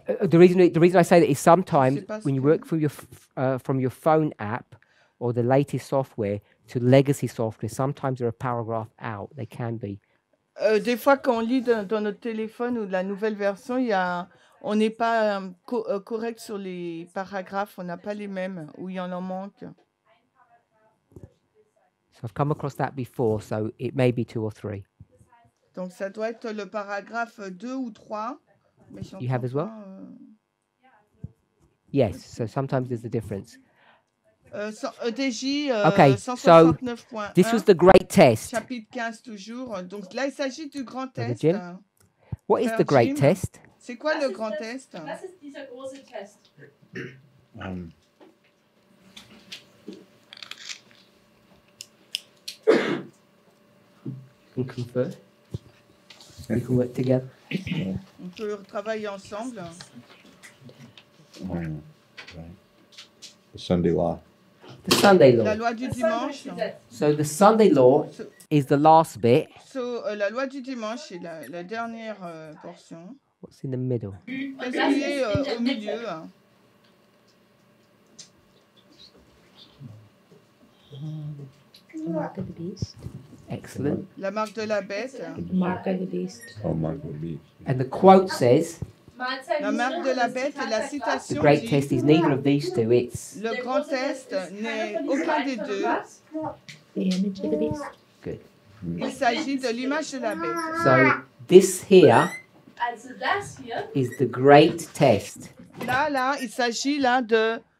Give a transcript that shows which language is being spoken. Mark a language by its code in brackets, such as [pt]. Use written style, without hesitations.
[en] The reason I say that is sometimes when you work from your phone app or the latest software to legacy software, sometimes there are paragraphs out. They can be. [fr] Des fois, quand on lit dans notre téléphone ou de la nouvelle version, il y a, on n'est pas correct sur les paragraphes. On n'a pas les mêmes ou il y en manque. [en] So I've come across that before, so it may be 2 or 3. [fr] Donc ça doit être le paragraphe 2 ou 3. [en] You have as well? Yes, so sometimes there's a difference. EDJ, okay, so this was the great test. [fr] Chapitre 15, toujours. Donc là, il s'agit du grand test. Brother [en] Jim? What is the great test? [fr] C'est quoi le grand test? [en] This is the awesome test. We can confer. We can work together. [fr] On peut travailler ensemble. [en] The Sunday law. The Sunday law. [fr] La loi du dimanche. [en] So the Sunday law is the last bit. [fr] So la loi du dimanche est la dernière portion. [en] What's in the middle? [fr] Qu'est-ce qui est au milieu? [en] The mark of the beast. Excellent. [fr] La marque de la bête. [en] Mark of the beast. Oh, mark of the beast. And the quote says, [fr] la marque de la bête et la citation. [en] The great test is neither of these two. It's [fr] le grand test n'est aucun des deux. [en] The image of the beast. Good. [fr] Il s'agit de l'image de la bête. [en] So this here, and so that's here is the great test. [fr] Là, il s'agit là de